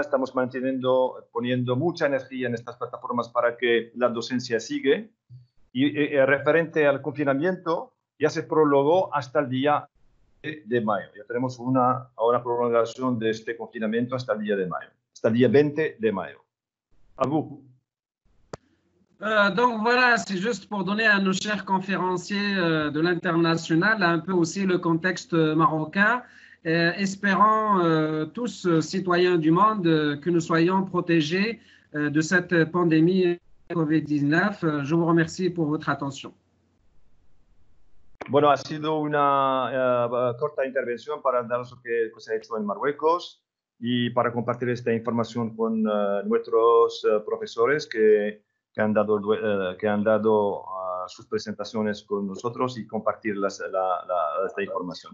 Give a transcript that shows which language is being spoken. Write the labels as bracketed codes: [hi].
[es] Estamos manteniendo, poniendo mucha energía en estas plataformas para que la docencia siga. Y referente al confinamiento, ya se prolongó hasta el día de mayo. Ya tenemos una prolongación de este confinamiento hasta el día de mayo, hasta el día 20 de mayo. Abu. [fr] Donc voilà, c'est juste pour donner à nos chers conférenciers de l'international un peu aussi le contexte marocain. Espérant tous citoyens du monde que nous soyons protégés de cette pandémie COVID-19. Je vous remercie pour votre attention. [es] Bueno, ha sido una corta intervención para dar lo que se ha hecho en Marruecos y para compartir esta información con nuestros profesores que han dado sus presentaciones con nosotros y compartir esta información.